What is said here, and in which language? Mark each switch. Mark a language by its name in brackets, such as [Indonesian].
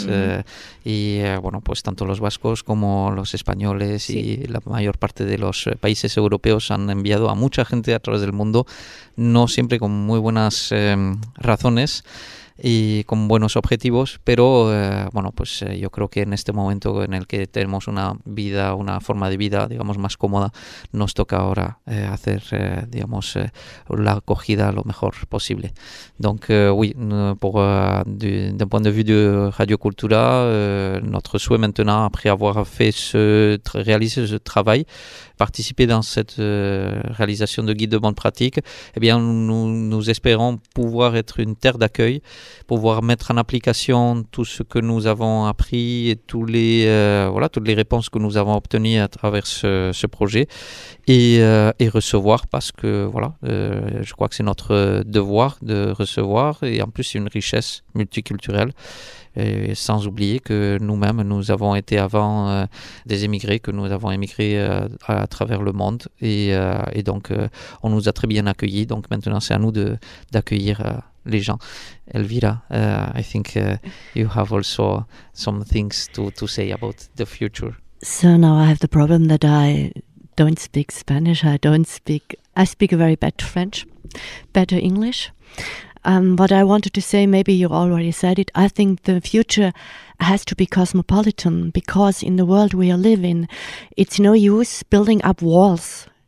[Spanish] Uh-huh. Bueno, pues tanto los vascos como los españoles, sí, y la mayor parte de los países europeos han enviado a mucha gente a través del mundo, no siempre con muy buenas razones y con buenos objetivos, pero yo creo que en este momento en el que tenemos una vida, una forma de vida, digamos, más cómoda, nos toca ahora hacer la acogida lo mejor posible. [French] Donc oui, pour d'un point de vue de Radio Cultura, notre souhait maintenant, après avoir fait réalisé ce travail, participer dans cette réalisation de guide de bonne pratique, eh bien nous espérons pouvoir être une terre d'accueil, pouvoir mettre en application tout ce que nous avons appris et toutes les réponses que nous avons obtenues à travers ce projet et recevoir, parce que je crois que c'est notre devoir de recevoir, et en plus c'est une richesse multiculturelle. Et sans oublier que nous-mêmes, nous avons été avant des émigrés, que nous avons émigré à travers le monde. Et donc, on nous a très bien accueillis. Donc maintenant, c'est à nous d'accueillir les gens. [English] Elvira, I think you have also some things to say about the future. So now I have the problem that I don't speak Spanish. I speak a very bad French, better English. What I wanted to say, maybe you already said it, I think the future has to be cosmopolitan, because in the world we are living, it's no use building up walls.